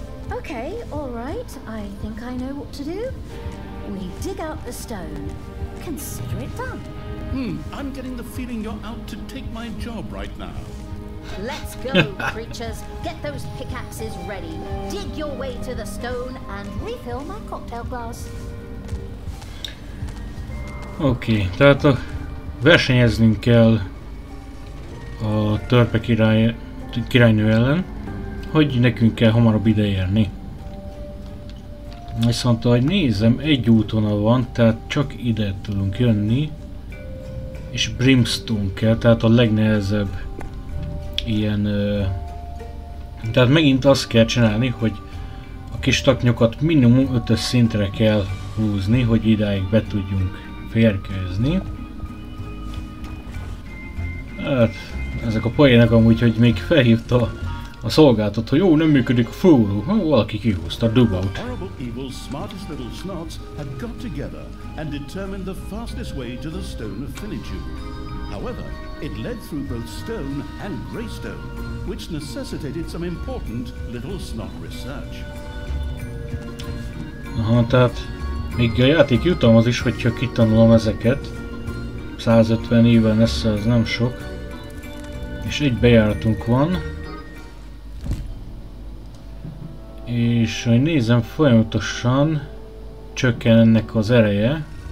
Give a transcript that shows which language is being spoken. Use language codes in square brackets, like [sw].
[en] Okay, all right. I think I know what to do. We dig out the stone. Consider it done. I'm getting the feeling you're out to take my job right now. Let's go, creatures. Get those pickaxes ready. Dig your way to the stone and refill my cocktail glass. [hu] Okay, tehát versenyeznünk kell a törpe királynő ellen, hogy nekünk kell hamarabb ide érni. Viszont ahogy nézem, egy útvonal van, tehát csak ide tudunk jönni, és Brimstone kell, tehát a legnehezebb ilyen... Tehát megint azt kell csinálni, hogy a kis taknyokat minimum 5-ös szintre kell húzni, hogy idáig be tudjunk férkőzni. Hát, ezek a poénak amúgy, hogy még felhívta a szolgáltat, hogy jó, nem működik a fúró, valaki kihúzta a dugout. [en] Horrible evil's smartest little snots had got together and determined the fastest way to the Stone of Finitude. However, it led through both stone and greystone, which necessitated some important little snot research. [hu] Aha, tehát még a játék jutalmaz is, hogyha kitanulom ezeket. 150 évvel messze, ez nem sok. És egy bejáratunk van. És hogy nézem, folyamatosan csökken ennek az ereje.